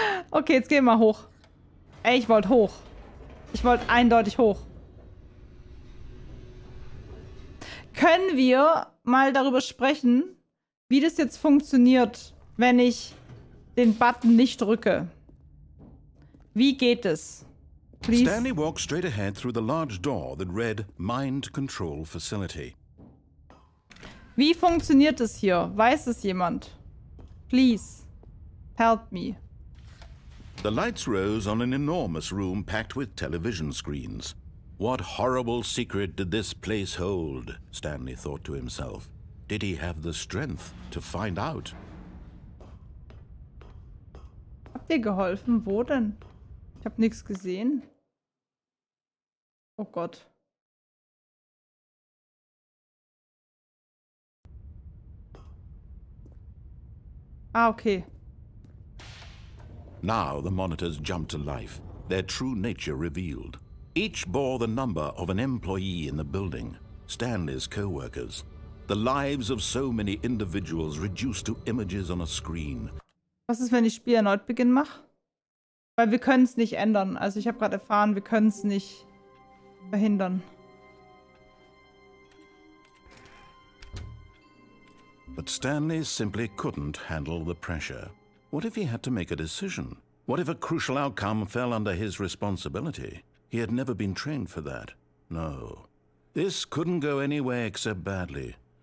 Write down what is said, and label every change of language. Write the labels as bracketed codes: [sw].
[de] Okay, jetzt gehen wir hoch. Ey, ich wollte hoch. Ich wollte eindeutig hoch. Können wir mal darüber sprechen, wie das jetzt funktioniert, wenn ich den Button nicht drücke? Wie geht es? [en] Please. Stanley walked straight ahead through the large door that read Mind Control Facility. [de] Wie funktioniert es hier? Weiß es jemand? [en] Please. Help me. The lights rose on an enormous room packed with television screens. What horrible secret did this place hold? Stanley thought to himself. Did he have the strength to find out? [de] Habt ihr geholfen? Wo denn? Ich hab nichts gesehen. Oh Gott. Ah, okay. [en] Now the monitors jumped to life, their true nature revealed. Each bore the number of an employee in the building, Stanley's co-workers. The lives of so many individuals reduced to images on a screen. [de] Was ist, wenn ich Spiel erneut beginn mache? Weil wir können es nicht ändern. Also ich habe gerade erfahren, wir können es nicht verhindern. [en] But Stanley simply couldn't handle the pressure. What if he had to make a decision? What if a crucial outcome fell under his responsibility? He had never been trained for that. No. This couldn't go any way except badly.